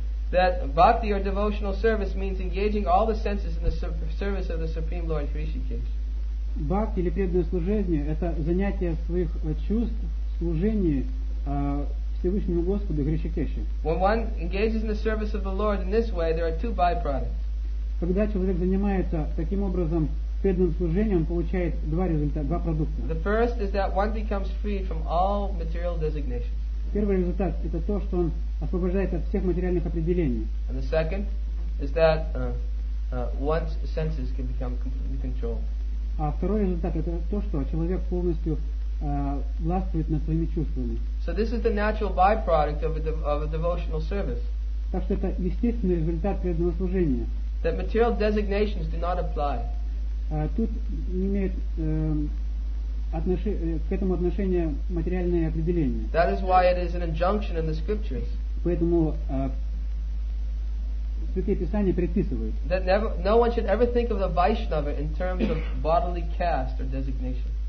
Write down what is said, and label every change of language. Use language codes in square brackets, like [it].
[en] That bhakti or devotional service means engaging all the senses in the service of the Supreme Lord Hrishikesh. [ru] Bhakti или преданное служение это занятие своих чувств в служении Всевышнему Господу Хришикеше. [en] When one engages in the service of the Lord in this way, there are two byproducts. [ru] Когда человек занимается таким образом преданным служением, он получает два результата, два продукта. [en] The first is that one becomes free from all material designations. [ru] Первый результат это то, что он освобождает от всех материальных определений. [en] And the second is that one's senses can become completely controlled. [ru] А второй результат это то, что человек полностью властвует над своими чувствами. [en] So this is the natural byproduct of a devotional service. [ru] Так что это естественный результат преданного служения. [en] That material designations do not apply. [ru] Тут не имеет к этому отношения материальные определения. [en] That is why it is an injunction in the scriptures. [ru] Поэтому Святые Писания предписывают. [en] That no one should ever think of the Vaishnava in terms of bodily caste or designation.